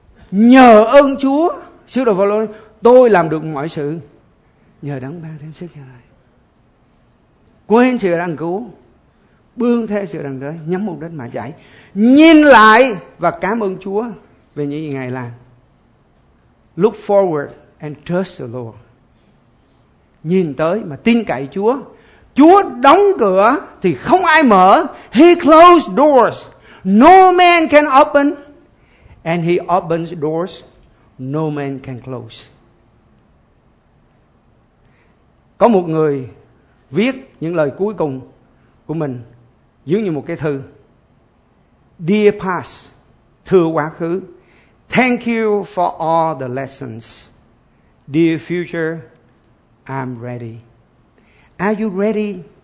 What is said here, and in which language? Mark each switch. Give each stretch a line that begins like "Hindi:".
Vietnamese: Nhờ ơn Chúa, Sứ đồ Phao-lô, tôi làm được mọi sự nhờ đấng ban thêm sức cho lại. Quên sự đằng cứu, bươn theo sự đằng tới, nhắm mục đích mà chạy. Nhìn lại và cảm ơn Chúa về những gì Ngài làm.
English: Look forward and trust the Lord.
Vietnamese: Nhìn tới mà tin cậy Chúa. Chúa đóng cửa thì không ai mở.
English: He closed doors, no man can open. And he opens doors, no man can close.
Vietnamese: Có một người viết những lời cuối cùng của mình giống như một cái thư.
English: Dear past,
Vietnamese: thưa quá khứ,
English: thank you for all the lessons. Dear future, I'm ready. Are you ready?